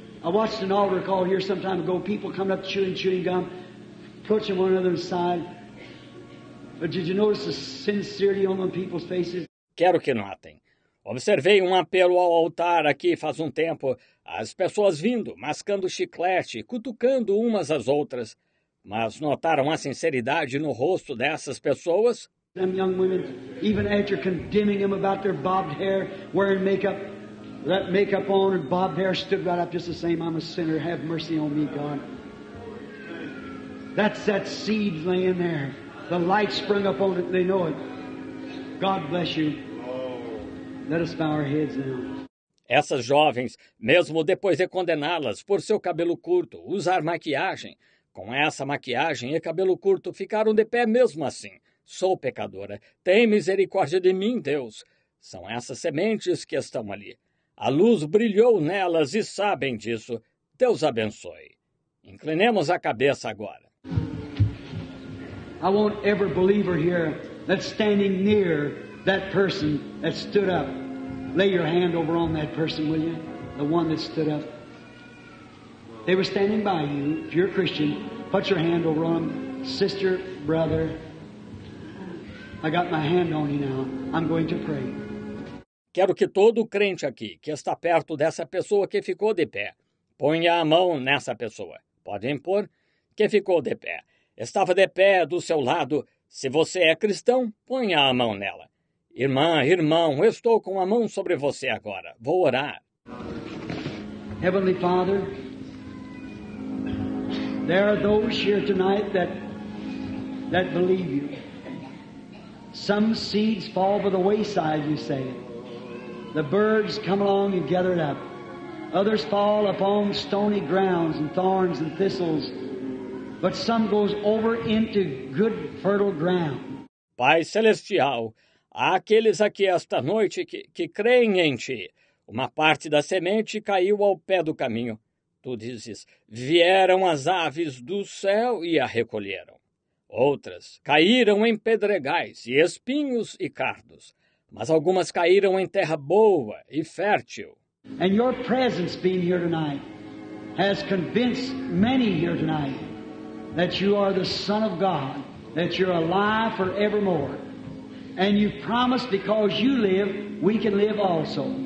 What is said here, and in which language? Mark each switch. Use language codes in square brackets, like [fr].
[en] I watched an altar call here some time ago. People coming up chewing gum, approaching one another inside. But did you notice the sincerity on the people's faces? [pt] Quero que notem. Observei um apelo ao altar aqui faz um tempo. As pessoas vindo, mascando chiclete, cutucando umas às outras. Mas notaram a sinceridade no rosto dessas pessoas? [en] Some young women, even after condemning them about their bobbed hair, wearing makeup, that makeup on and bobbed hair, stood right up just the same. I'm a sinner. Have mercy on me, God. That's that seed laying there. The light sprung up on it. They know it. God bless you. Let us bow our heads now. [pt] Essas jovens, mesmo depois de condená-las por seu cabelo curto, usar maquiagem, com essa maquiagem e cabelo curto, ficaram de pé mesmo assim. Sou pecadora. Tem misericórdia de mim, Deus. São essas sementes que estão ali. A luz brilhou nelas e sabem disso. Deus abençoe. Inclinemos a cabeça agora. [en] I want every believer here that's standing near that person that stood up. Lay your hand over on that person, will you? The one that stood up. They were standing by you. If you're a Christian, put your hand over on them. Sister, brother, I got my hand on you now. I'm going to pray. [pt] Quero que todo crente aqui que está perto dessa pessoa que ficou de pé, ponha a mão nessa pessoa. Pode impor? Que ficou de pé. Estava de pé do seu lado. Se você é cristão, ponha a mão nela. Irmã, irmão, eu estou com a mão sobre você agora. Vou orar. [en] Heavenly Father, there are those here tonight that believe you. Some seeds fall by the wayside, you say. The birds come along and gather it up. Others fall upon stony grounds and thorns and thistles. But some goes over into good, fertile ground. [pt] Pai Celestial, há aqueles aqui esta noite que creem em Ti. Uma parte da semente caiu ao pé do caminho. Tu dizes, vieram as aves do céu e a recolheram. Outras caíram em pedregais e espinhos e cardos. Mas algumas caíram em terra boa e fértil. [en] And your presence being here tonight has convinced many here tonight that you are the Son of God, that you're alive forevermore. And you promised because you live, we can live also.